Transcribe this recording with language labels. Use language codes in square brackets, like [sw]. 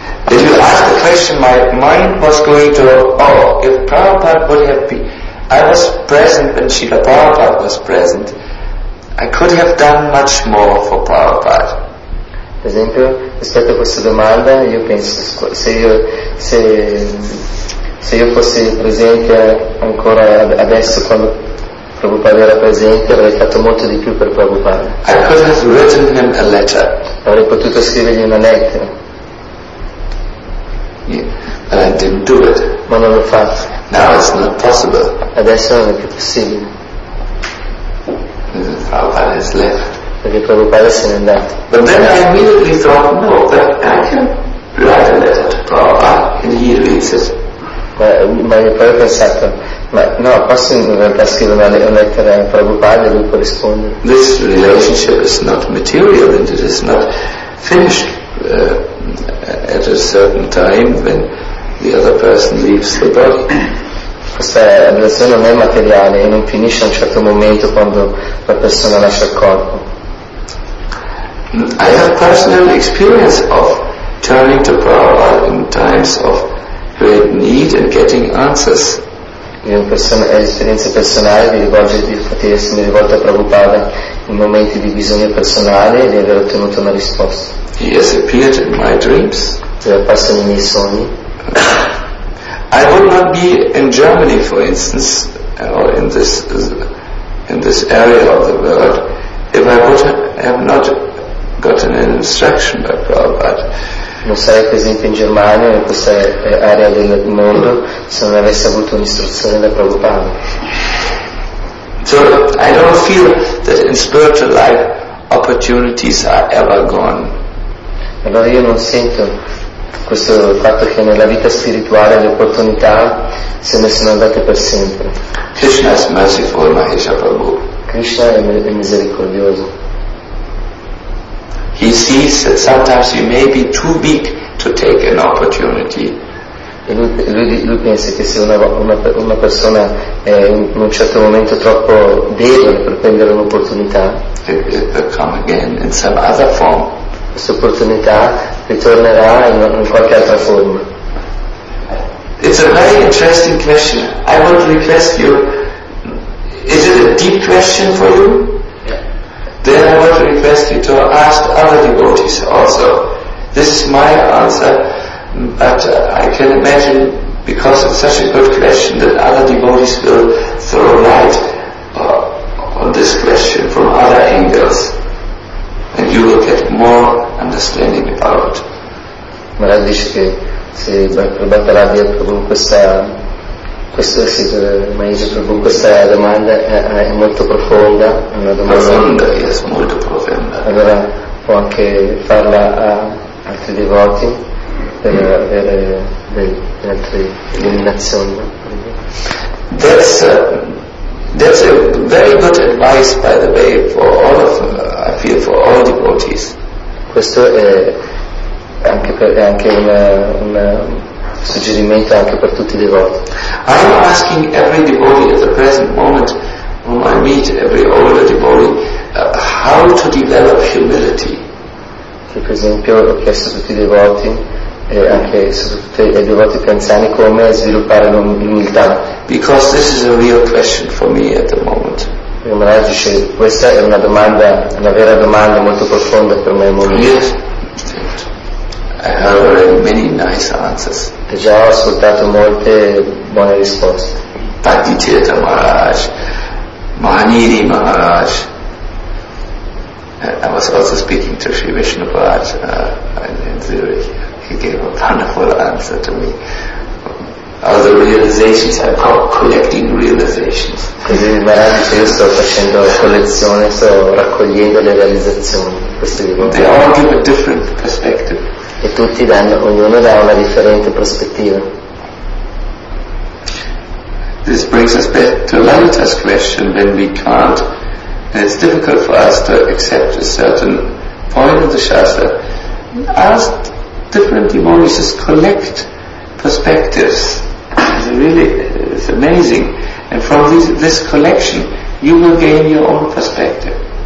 [en] If you ask the question, my mind was going to, oh, if Prabhupada would have been, I was present when Srila Prabhupada was present. I could have done much more for Prabhupada. [it] Per esempio, rispetto a questa domanda, io penso se io fossi presente ancora adesso quando Prabhupada era presente, avrei fatto molto di più per Prabhupada. [en] I could have written him a letter. [it] Avrei potuto scrivergli una lettera. [en] Yeah. But I didn't do it. [it] Ma non l'ho fatto. [en] Now it's not possible. [it] Adesso non è più possibile. [en] Prabhupada has left. [it] Perché Prabhupada se n'è andato. [en] But then I immediately thought, no, that I can write a letter to Prabhupada and he reads it. [it] Ma io poi ho pensato, ma no, posso in realtà scrivere una lettera a Prabhupada e lui può rispondere. [en] This relationship is not material and it is not finished at a certain time when the other person leaves the body. [it] Questa relazione non è materiale e non finisce a un certo momento quando la persona lascia il corpo. [en] I have personal experience of turning to Prabhupada in times of great need and getting answers. [it] Io ho esperienza personale di essermi rivolto a Prabhupada in momenti di bisogno personale e di aver ottenuto una risposta. [en] He has appeared in my dreams. [it] È apparso nei miei sogni. [en] I would not be in Germany, for instance, or in this area of the world, if I would have not gotten an instruction by Prabhupada. [it] Non sarei presente in Germania in questa area del mondo se non avessi avuto un'istruzione da Prabhupada. [en] So I don't feel that in spiritual life opportunities are ever gone. [it] Allora io non sento questo fatto che nella vita spirituale le opportunità se ne sono andate per sempre. [en] Krishna is merciful, Mahesha Prabhu. [it] Krishna è misericordioso. [en] He sees that sometimes you may be too big to take an opportunity. [it] Lui pensa che se una persona è in un certo momento troppo debole per prendere un'opportunità, [en] it will come again in some other form. [it] Questa opportunità ritornerà in qualche altra forma. [en] It's a very interesting question. I want to request you. Is it a deep question for you? Then I want to request you to ask other devotees also. This is my answer, but I can imagine because it's such a good question that other devotees will throw light on this question from other angles, and you will get more understanding about it. [it] Maharaj dice che se Prabhupada ha proprio questa sì, Maharaj proprio questa domanda è molto profonda, una domanda profonda, yes, molto profonda. Allora può anche farla a altri devoti per avere delle altre illuminazioni. [en] That's a very good advice, by the way, for all of I feel for all devotees. [it] Questo è anche un suggerimento anche per tutti i devoti. [en] I am asking every devotee at the present moment, whom I meet, every older devotee, how to develop humility. [it] Per esempio, ho chiesto a tutti i devoti e anche soprattutto ai devoti più anziani come sviluppare l'umiltà. [en] Because this is a real question for me at the moment. [it] Maharaj dice, questa è una domanda, una vera domanda molto profonda per me. [en] Yes. I have already many nice answers. [it] E già ho ascoltato molte buone risposte. [en] Padicheta Maharaj, Mahaniri Maharaj. I was also speaking to Sri Vishnu Maharaj in Zurich. He gave a wonderful answer to me. All the realizations I'm collecting realizations. [it] Così Maharaj dice, io sto facendo collezione, sto raccogliendo le realizzazioni. [en] They all give a different perspective. [it] E tutti danno, ognuno dà una differente prospettiva. [en] This brings us back to Lalita's question, when we can't. It's difficult for us to accept a certain point of the Shastra. Ask different devotees, just collect perspectives. It's amazing. And from this collection, you will gain your own perspective.